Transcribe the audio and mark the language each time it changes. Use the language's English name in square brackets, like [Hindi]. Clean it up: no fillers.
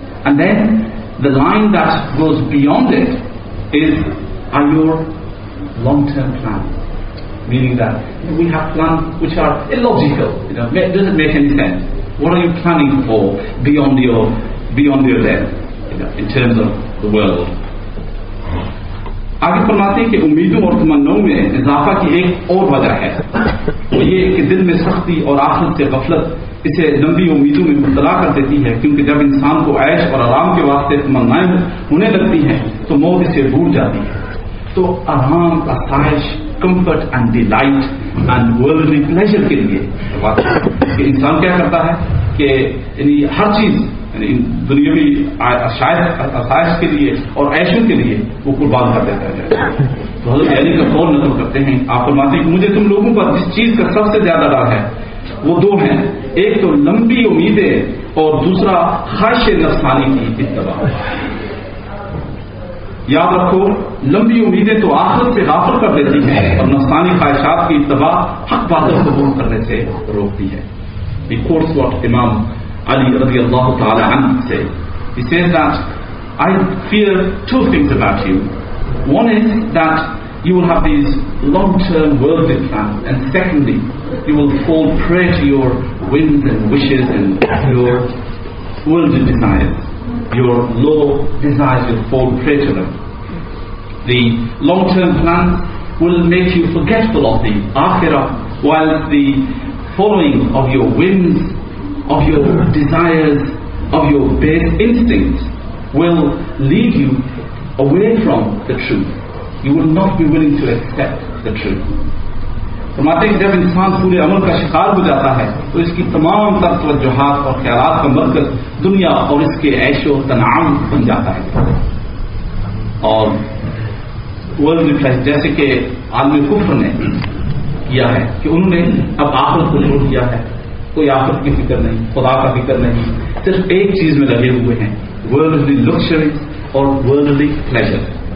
[English] And then the line that goes beyond it are your long-term plans. Meaning that we have plans which are illogical. You know, it doesn't make any sense. What are you planning for beyond your death, in terms of the world? [Urdu] آگے فرماتے ہیں کہ امیدوں اور تمناؤں میں اضافہ کی ایک اور وجہ ہے, وہ یہ کہ دل میں سختی اور آخرت سے غفلت اسے لمبی امیدوں میں مبتلا کر دیتی ہے, کیونکہ جب انسان کو عیش اور آرام کے واسطے تمنائیں ہونے لگتی ہیں تو موت اسے بھول جاتی ہے. تو آرام آسائش [English] comfort and delight and worldly pleasure [Urdu] کے لیے کہ انسان کیا کرتا ہے کہ یعنی ہر چیز یعنی دنیاوی آسائش کے لیے اور عیشوں کے لیے وہ قربان کر دیتا ہے. تو حضرت علی کا قول نقل کرتے ہیں, آپ فرماتے ہیں کہ مجھے تم لوگوں پر جس چیز کا سب سے زیادہ ڈر ہے وہ دو ہیں, ایک تو لمبی امیدیں اور دوسرا خواہش نفسانی کی اتباع. یاد رکھو لمبی امیدیں تو آخرت سے غافل کر دیتی ہیں اور نفسانی خواہشات کی اتباع حق باطل قبول کرنے سے روکتی ہے. [English] He quotes what Imam Ali radiallahu ta'ala anhu said. He says that, I fear two things about you. One is that you will have these long-term worldly plans, and secondly, you will fall prey to your whims and wishes and your worldly desires. Your low desires will fall prey to them. The long-term plans will make you forgetful of the akhirah, while the following of your whims, of your desires, of your base instincts will lead you away from the truth. You will not be willing to accept the truth. [Urdu] فرماتے ہیں کہ جب انسان پورے عمل کا شکار ہو جاتا ہے تو اس کی تمام تر توجہات اور خیالات کا مرکز دنیا اور اس کے عیش و تنعم بن جاتا ہے, اور جیسے کہ عالم کفر نے کیا ہے کہ انہوں نے اب آخرت کو چھوڑ دیا ہے, کوئی آخرت کی فکر نہیں, خدا کا فکر نہیں, صرف ایک چیز میں لگے ہوئے ہیں, [English] worldly luxuries [Urdu] اور [English] Worldly pleasure.